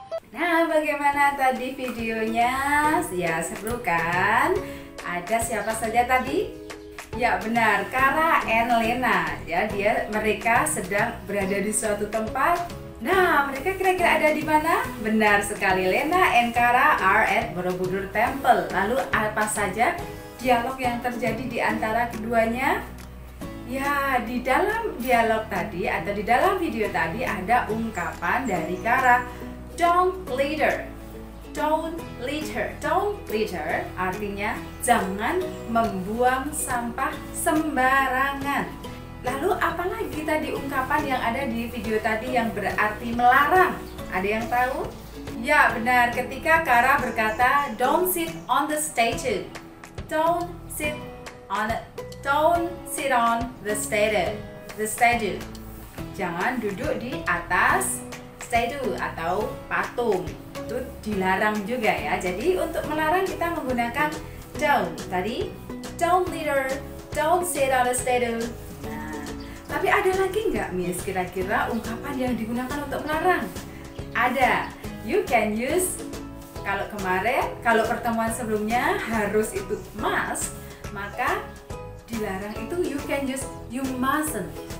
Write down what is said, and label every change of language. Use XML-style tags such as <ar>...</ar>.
<id>Nah, bagaimana tadi videonya? Ya, seru kan? Ada siapa saja tadi? Ya, benar. Kara and Lena. Ya, mereka sedang berada di suatu tempat. Nah, mereka kira-kira ada di mana? Benar sekali,</id> <en>Lena and Kara are at Borobudur Temple.</en> <id>Lalu apa saja dialog yang terjadi di antara keduanya? Ya, di dalam dialog tadi atau di dalam video tadi ada ungkapan dari Kara,</id> <en>don't litter, don't litter, don't litter,</en> <id>artinya jangan membuang sampah sembarangan. Lalu apa lagi tadi ungkapan yang ada di video tadi yang berarti melarang? Ada yang tahu? Ya benar, ketika Kara berkata</id> <en>don't sit on the statue. Don't sit on the statue.</en> <id>Jangan duduk di atas statue atau patung. Itu dilarang juga ya. Jadi untuk melarang kita menggunakan don't. Tadi</id> <en>don't litter, don't sit on the statue.</en> <id>Tapi ada lagi nggak, Miss, kira-kira ungkapan yang digunakan untuk melarang? Ada.</id> <en>You can use,</en> <id>kalau kemarin, kalau pertemuan sebelumnya harus itu must, maka dilarang itu</id> <en>you can use you mustn't.</en>